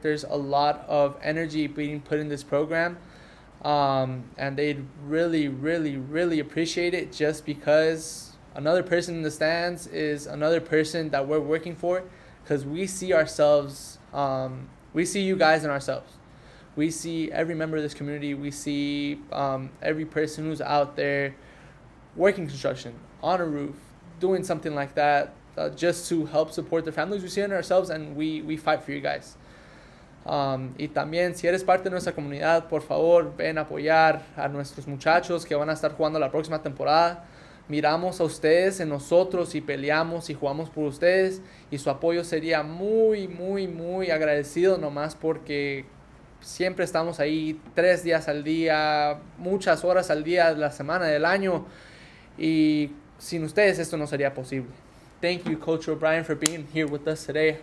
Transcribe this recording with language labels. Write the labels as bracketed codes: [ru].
[en] There's a lot of energy being put in this program. And they'd really, really, really appreciate it, just because another person in the stands is another person that we're working for, because we see ourselves, we see you guys in ourselves. We see every member of this community. We see every person who's out there working construction, on a roof, doing something like that, just to help support their families. We see it in ourselves, and we fight for you guys. [es] Y también, si eres parte de nuestra comunidad, por favor, ven a apoyar a nuestros muchachos que van a estar jugando la próxima temporada. Miramos a ustedes en nosotros y peleamos y jugamos por ustedes. Y su apoyo sería muy, muy, muy agradecido, nomás porque siempre estamos ahí 3 días al día, muchas horas al día de la semana, del año. Y sin ustedes esto no sería posible. [en] Thank you, Coach O'Brien, for being here with us today.